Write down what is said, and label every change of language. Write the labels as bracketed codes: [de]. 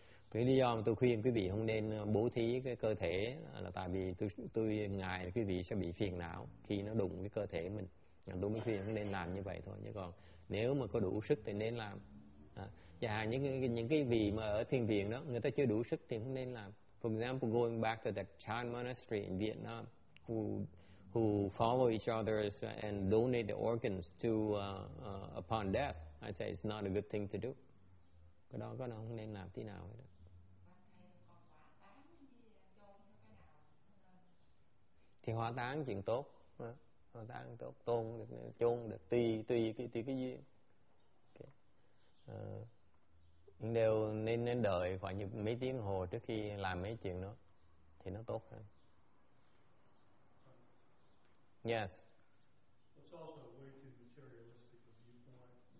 [vi] Thế lý do mà tôi khuyên quý vị không nên bố thí cái cơ thể là tại vì tôi ngại quý vị sẽ bị phiền não khi nó đụng cái cơ thể mình. Tôi mới khuyên nên làm như vậy thôi. Chứ còn nếu mà có đủ sức thì nên làm. Chẳng hạn những cái vị mà ở thiền viện đó, người ta chưa đủ sức thì không nên làm. [en] For example, going back to the Chan monastery in Vietnam, who follow each other and donate the organs to upon death, I say it's not a good thing to do. [vi] Cái đó có nó không nên làm tí nào hết. Thì hóa táng chuyện tốt. Hóa táng tốt, tôn được, chôn được, tùy cái duyên. Okay. Đều nên đợi khoảng như mấy tiếng hồ trước khi làm mấy chuyện đó thì nó tốt hơn. [en] Yes. It's also a way too materialistic of viewpoint.